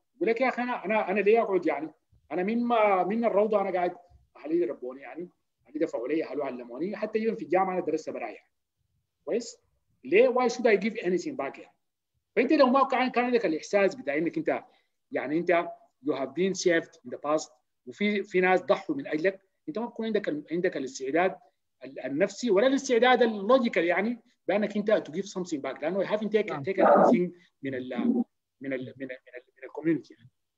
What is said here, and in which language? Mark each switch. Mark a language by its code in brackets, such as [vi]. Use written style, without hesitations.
[ar] بقول لك يا اخي انا ليه اقعد يعني، انا من الروضه انا قاعد اهلي ربوني يعني، اهلي دفعوا لي، اهلي علموني، حتى ايفن في الجامعه انا درست برايا يعني. كويس، ليه [en] why should I give anything back [ar] يعني. فانت لو ما كان عندك الاحساس بتاع انك انت يعني انت [en] you have been saved in the past، [ar] وفي ناس ضحوا من اجلك، انت ما تكون عندك الاستعداد النفسي ولا الاستعداد اللوجيكال يعني بانك انت [en] to give something back، [ar] لانه [en] you haven't taken anything [ar] من ال من ال من ال من ال من الكوميونتي يعني.